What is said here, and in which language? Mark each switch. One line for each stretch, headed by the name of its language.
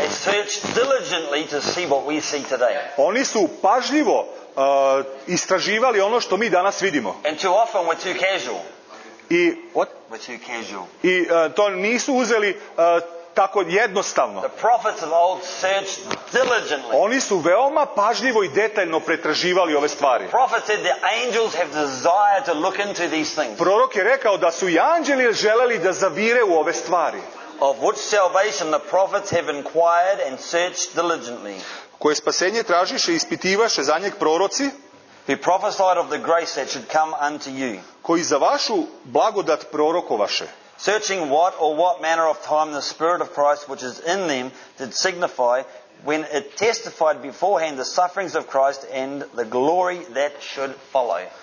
English: They searched diligently to see what we see today.
Serbian: Oni su pažljivo istraživali ono što mi danas vidimo.
English: And too often we're too casual. I what? We're too casual.
Serbian: I to nisu uzeli tako jednostavno.
English: The prophets of old searched diligently.
Serbian: Oni su veoma pažljivo i detaljno pretraživali ove stvari.
English: Prophets said the angels have desired to look into these things.
Serbian: Prorok je rekao da su i anđeli želeli da zavire u ove stvari.
English: Of which salvation the prophets have inquired and searched diligently.
Serbian: Koje spasenje tražiše i ispitivaše za njeg proroci?
English: Who prophesied of the grace that should come unto you.
Serbian: Koji za vašu blagodat prorokovaše.
English: Searching what or what manner of time the Spirit of Christ which is in them did signify when it testified beforehand the sufferings of Christ and the glory that should follow.